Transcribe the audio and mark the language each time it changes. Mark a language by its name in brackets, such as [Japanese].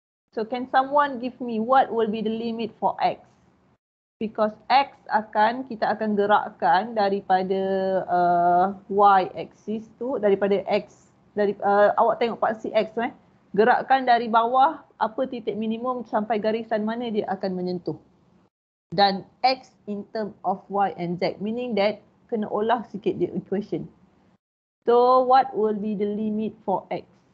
[English] So can someone give me what will be the limit for X? Because [Malay] X akan, kita akan gerakkan daripada Y-axis tu, daripada X, dari awak tengok paksi X tu eh. Gerakkan dari bawah, apa titik minimum sampai garisan mana dia akan menyentuh. [English] Dan X in term of Y and Z, meaning that [Malay] kena olah sikit [English] the equation. So, what will be the limit for X?